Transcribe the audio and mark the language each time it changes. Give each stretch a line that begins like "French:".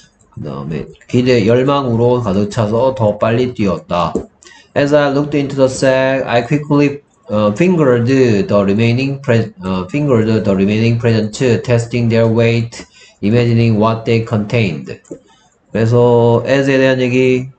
Korean: 그 다음에 기대 열망으로 가득 차서 더 빨리 뛰었다.
English: As I looked into the sack, I quickly fingered the remaining presents, testing their weight, imagining what they contained.
Korean: 그래서 as에 대한 얘기,